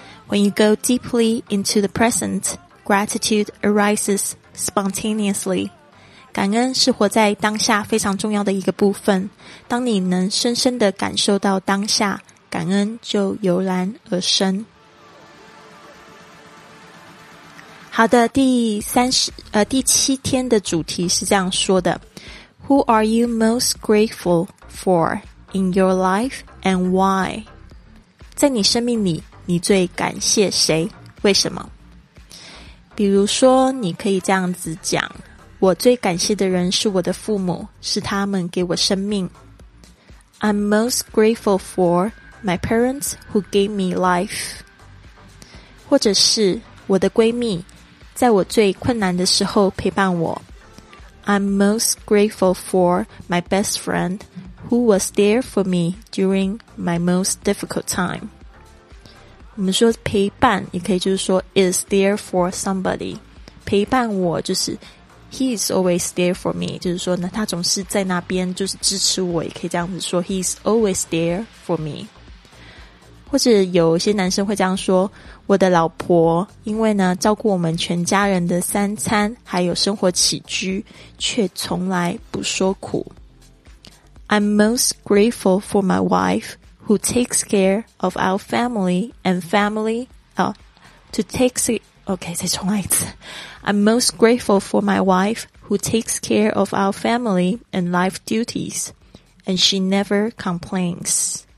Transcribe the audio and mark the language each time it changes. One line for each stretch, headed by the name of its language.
English: When you go deeply into the present, gratitude arises spontaneously.
Chinese: 感恩是活在当下非常重要的一个部分。当你能深深地感受到当下，感恩就油然而生。好的，第七天的主题是这样说的。
English: Who are you most grateful for in your life? And why?
Chinese: 在你生命里你最感谢谁？为什么？比如说你可以这样子讲，我最感谢的人是我的父母，是他们给我生命。
English: I'm most grateful for my parents who gave me life.
Chinese: 或者是我的闺蜜，在我最困难的时候陪伴我。
English: I'm most grateful for my best friend who was there for me during my most difficult time.
Chinese: 我们说陪伴也可以就是说
English: is there for somebody.
Chinese: 陪伴我就是
English: he's always there for me,
Chinese: 就是说呢他总是在那边就是支持我，也可以这样子说 he's always there for me. 或者有些男生会这样说，我的老婆因为呢照顾我们全家人的三餐还有生活起居，却从来不说苦。
English: I'm most grateful for my wife who takes care of our family and family, I'm most grateful for my wife who takes care of our family and life duties, and she never complains.